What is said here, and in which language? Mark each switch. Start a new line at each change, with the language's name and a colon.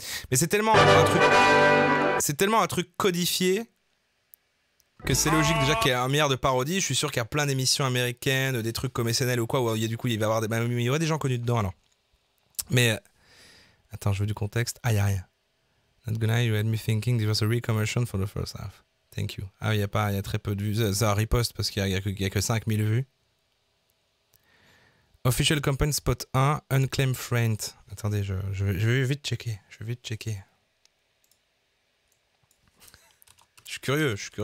French: Mais c'est tellement un truc. C'est tellement un truc codifié que c'est logique déjà qu'il y ait un milliard de parodies. Je suis sûr qu'il y a plein d'émissions américaines, des trucs comme SNL ou quoi, où il y aurait des gens connus dedans alors. Mais. Attends, je veux du contexte. Ah, y'a rien.
English: Not gonna lie, you had me thinking this was a recommission for the first half. Thank you.
French: Ah, il y a très peu de vues. Ça riposte parce qu'il y a que 5000 vues.
English: Official campaign spot 1, unclaimed friend.
French: Attendez, je vais vite checker. Je suis curieux.